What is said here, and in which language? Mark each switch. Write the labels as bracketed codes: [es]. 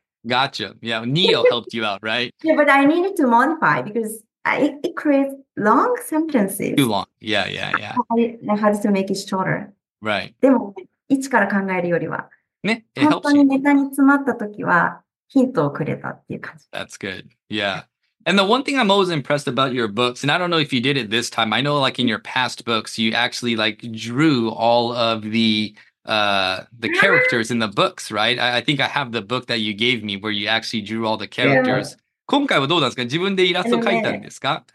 [en] Gotcha. Yeah, Neo helped you out, right? Yeah, but I needed to modify because... It creates long sentences. Too long. Yeah. I had to make it shorter. Right. [ja] でも、一から考えるよりは、ね、本当にネタに詰まった時は、ヒントをくれたっていう感じ。 [en] That's good. Yeah. And the one thing I'm always impressed about your books, and I don't know if you did it this time, I know like in your past books, you actually like drew all of the characters in the books, right? I think I have the book that you gave me where you actually drew all the characters. Yeah. [ja] 今回はどうなんですか自分でイラストを描いたんですか